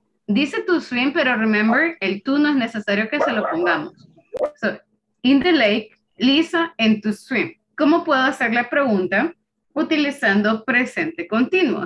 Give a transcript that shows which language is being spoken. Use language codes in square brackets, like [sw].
[es] Dice to swim, pero remember, el to no es necesario que se lo pongamos. [en] So, in the lake, Lisa, and to swim. [es] ¿Cómo puedo hacer la pregunta utilizando presente continuo?